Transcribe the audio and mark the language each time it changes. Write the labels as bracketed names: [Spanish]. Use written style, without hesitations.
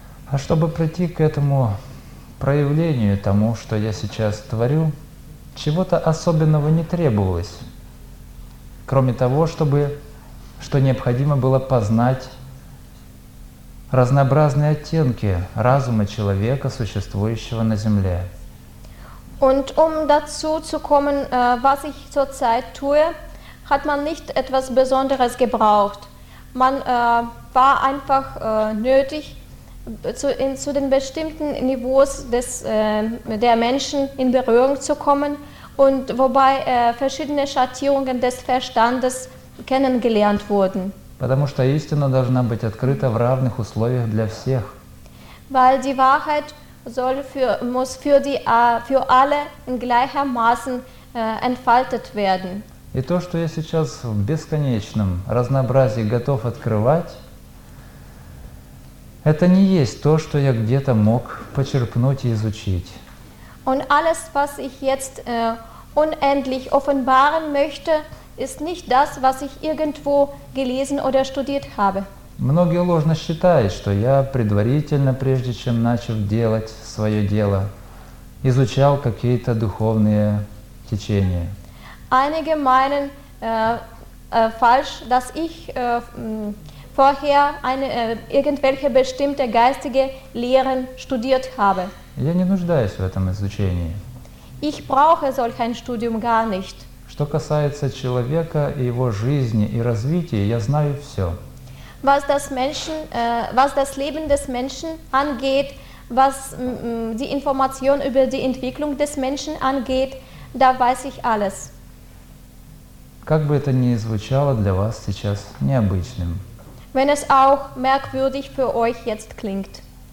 [Russian] А чтобы прийти к этому проявлению, тому, что я сейчас творю, чего-то особенного не требовалось, кроме того, что необходимо было познать разнообразные оттенки разума человека, существующего на земле. [German] Und dazu zu kommen, was ich zurzeit tue, hat man nicht etwas Besonderes gebraucht. Man war einfach nötig, zu den bestimmten Niveaus der Menschen in Berührung zu kommen und wobei verschiedene Schattierungen des Verstandes kennengelernt wurden. [Russian] Потому что истина должна быть открыта в равных условиях для всех. [German] Weil die Wahrheit muss für alle in gleichermaßen entfaltet werden. [Russian] И то, что я сейчас в бесконечном разнообразии готов открывать, это не есть то, что я где-то мог почерпнуть и изучить. [German] Und alles, was ich jetzt unendlich offenbaren möchte, ist nicht das, was ich irgendwo gelesen oder studiert habe. [Russian] Многие ложно считают, что я предварительно, прежде чем начал делать свое дело, изучал какие-то духовные течения. [German] Einige meinen falsch, dass ich vorher irgendwelche bestimmte geistige Lehren studiert habe. [Russian] Я не нуждаюсь в этом изучении. [German] Ich brauche solch ein Studium gar nicht. [Russian] Что касается человека и его жизни и развития, я знаю все. [German] Was das Leben des Menschen angeht, was die Information über die Entwicklung des Menschen angeht, da weiß ich alles. [Russian] Как бы это ни звучало для вас сейчас необычным. [German] Wenn es auch merkwürdig für euch jetzt klingt.